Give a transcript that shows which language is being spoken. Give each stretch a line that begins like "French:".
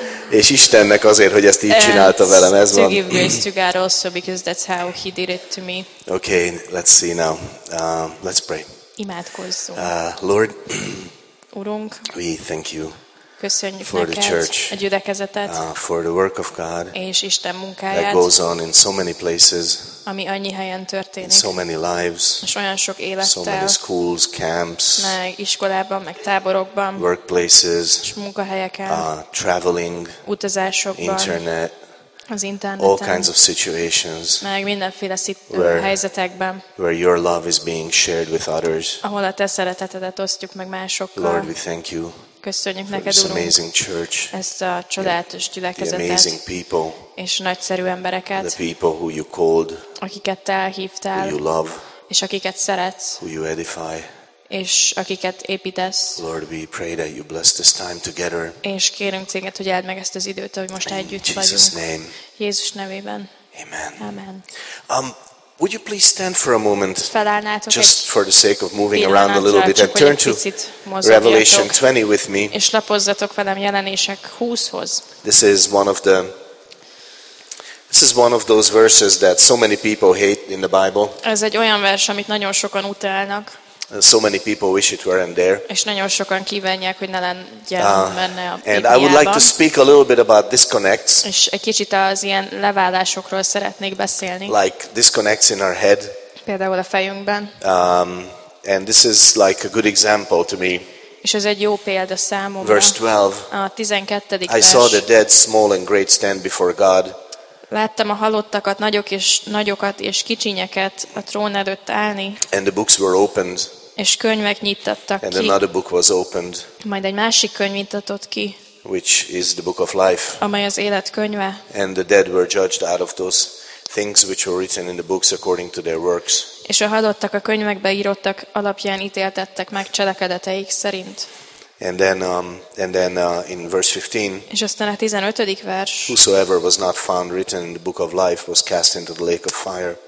Hungarian: És Istennek azért, hogy ezt így csinálta velem, ez van.
English: To give grace to God also, because that's how he did it to me. Okay, let's see now. Let's pray.
Hungarian: Imádkozzunk.
English: Lord,
Hungarian: Urunk,
English: we thank you.
Hungarian: Köszönjük
English: for the church,
Hungarian: a gyülekezetet,
English: for the work of God,
Hungarian: és Isten munkáját,
English: that goes on in so many places,
Hungarian: ami annyi helyen történik,
English: in so many lives,
Hungarian: és olyan sok élettel,
English: so many schools, camps,
Hungarian: meg iskolában, meg táborokban,
English: workplaces,
Hungarian: és munkahelyeken,
English: traveling,
Hungarian: utazásokban,
English: internet,
Hungarian: az interneten,
English: all kinds of situations,
Hungarian: meg mindenféle helyzetekben,
English: where your love is being shared with others,
Hungarian: ahol a te szeretetedet osztjuk meg másokkal.
English: Lord, we thank you.
Hungarian: Köszönjük neked, Urunk, ezt a csodálatos gyülekezetet,
English: people,
Hungarian: és nagyszerű embereket,
English: the people who you called,
Hungarian: akiket te elhívtál,
English: who you love,
Hungarian: és akiket szeretsz,
English: who you edify,
Hungarian: és akiket építesz.
English: Lord, we pray that you bless this time together,
Hungarian: és kérünk téged, hogy áld meg ezt az időt, hogy most együtt
English: Jesus
Hungarian: vagyunk.
English: Name.
Hungarian: Jézus nevében.
English: Amen.
Hungarian: Amen.
English: Would you please stand for a moment,
Hungarian: felállnátok
English: just for the sake of moving around a little bit, and turn to Revelation 20 with me.
Hungarian: És lapozzatok velem Jelenések 20-hoz.
English: This is one of those verses that so many people hate in the Bible.
Hungarian: Ez egy olyan vers, amit nagyon sokan utálnak.
English: So many people wish it weren't there.
Hungarian: És nagyon sokan kívánják, hogy ne legyen benne a Bibliában.
English: And I would like to speak a little bit about disconnects.
Hungarian: És egy kicsit az ilyen leválásokról szeretnék beszélni.
English: Like disconnects in our head.
Hungarian: Például a fejünkben.
English: And this is like a good example to me.
Hungarian: És ez egy jó példa számomra.
English: Verse 12.
Hungarian: A 12.
English: I saw the dead, small and great, stand before God.
Hungarian: Láttam a halottakat, nagyokat és kicsinyeket a trón előtt állni.
English: And the books were opened.
Hungarian: És könyvek nyitottak ki.
English: And another book was opened.
Hungarian: Majd egy másik könyv nyitatott ki.
English: Which is the book of life.
Hungarian: Amely az élet könyve.
English: And the dead were judged out of those things which were written in the books according to their works.
Hungarian: És a halottak a könyvekbe írottak alapján ítéltettek meg cselekedeteik szerint.
English: And then in verse 15.
Hungarian: És aztán a 15. vers.
English: Whosoever was not found written in the book of life was cast into the lake of fire.